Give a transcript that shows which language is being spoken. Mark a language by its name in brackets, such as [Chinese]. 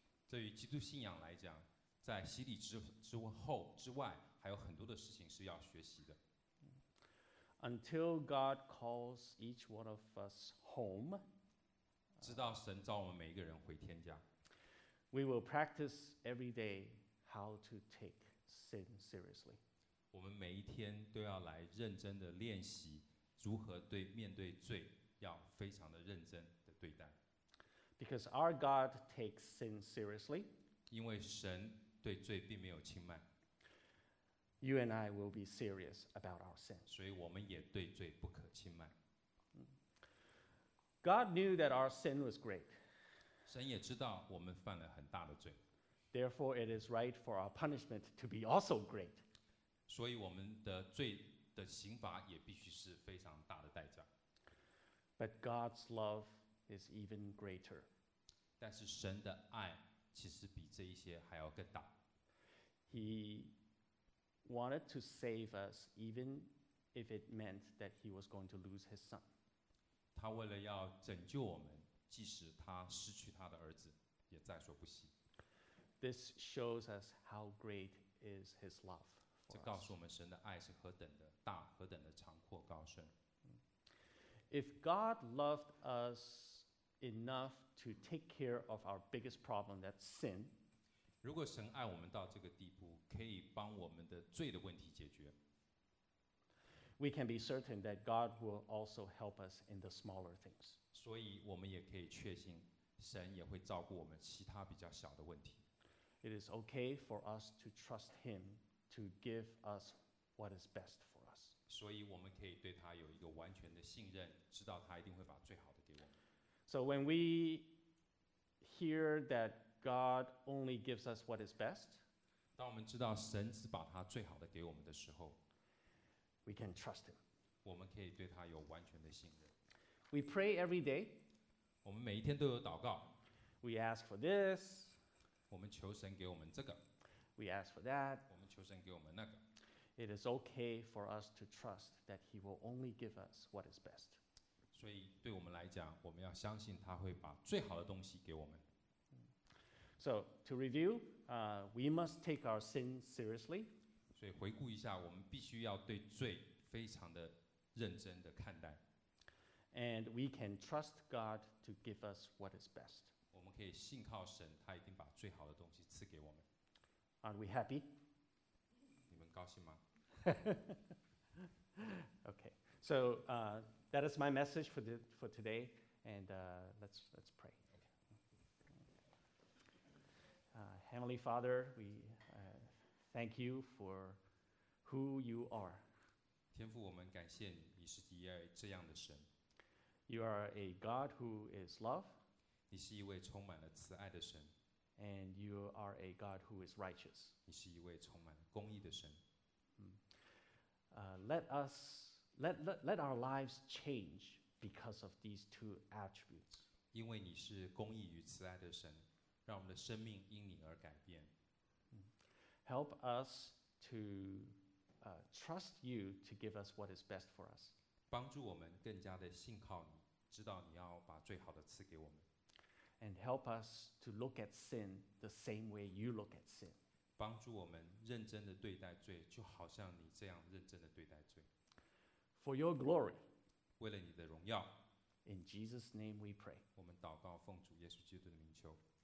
[Chinese] 对于基督信仰来讲，在洗礼之外，还有很多的事情是要学习的。 [English] Until God calls each one of us home, [Chinese] 直到神召我们每一个人回天家。 [English] We will practice every day how to take sin seriously. [Chinese] 我们每一天都要来认真的练习如何对面对罪要非常的认真的对待。 [English] Because our God takes sin seriously. [Chinese] 因为神对罪并没有轻慢。 [English] you and I will be serious about our sin. [Chinese] 所以我们也对罪不可轻慢。 [English] God knew that our sin was great. [Chinese] 神也知道我们犯了很大的罪。 [English] Therefore, it is right for our punishment to be also great. [Chinese] 所以我们的罪的刑罚也必须是非常大的代价。 [English] But God's love is even greater. [Chinese] 但是神的爱其实比这一些还要更大。 [English] He wanted to save us even if it meant that he was going to lose his son. [Chinese] 他为了要拯救我们，即使他失去他的儿子，也在所不惜。 [English] This shows us how great is his love for us. [Chinese] 这告诉我们神的爱是何等的大，何等的长阔高深。 [English] If God loved us enough to take care of our biggest problem, that's sin. [Chinese] 如果神爱我们到这个地步，可以帮我们的罪的问题解决。 [English] We can be certain that God will also help us in the smaller things. [Chinese] 所以我们也可以确信，神也会照顾我们其他比较小的问题。 [English] It is okay for us to trust Him to give us what is best for us. [Chinese] 所以我们可以对他有一个完全的信任，知道他一定会把最好的给我们。 [English] So when we hear that God only gives us what is best, [Chinese] 当我们知道神只把他最好的给我们的时候， [English] we can trust Him. [Chinese] 我们可以对他有完全的信任。 [English] We pray every day. [Chinese] 我们每一天都有祷告。 [English] We ask for this. [Chinese] 我们求神给我们这个。 [English] We ask for that. [Chinese] 我们求神给我们那个。 [English] It is okay for us to trust that He will only give us what is best. [Chinese] 所以对我们来讲，我们要相信他会把最好的东西给我们。 [English] So to review, we must take our sin seriously. [Chinese] 所以回顾一下，我们必须要对罪非常的认真的看待。 [English] And we can trust God to give us what is best. [Chinese] 我们可以信靠神，他一定把最好的东西赐给我们。 [English] Are we happy? [Chinese] 你们高兴吗？ [English] Okay, so that is my message for today, and let's pray. Heavenly Father, we thank you for who you are. [Chinese] 天父，我们感谢你，你是一位这样的神。 [English] You are a God who is love. [Chinese] 你是一位充满了慈爱的神。 [English] And you are a God who is righteous. [Chinese] 你是一位充满了公义的神。 [English] Let our lives change because of these two attributes. [Chinese] 因为你是公义与慈爱的神，让我们的生命因你而改变。 [English] Help us to trust you to give us what is best for us. [Chinese] 帮助我们更加的信靠你，知道你要把最好的赐给我们。 [English] And help us to look at sin the same way you look at sin. [Chinese] 帮助我们认真地对待罪，就好像你这样认真地对待罪。 [English] For your glory. [Chinese] 为了你的荣耀。 [English] In Jesus' name we pray. [Chinese] 我们祷告奉主耶稣基督的名求。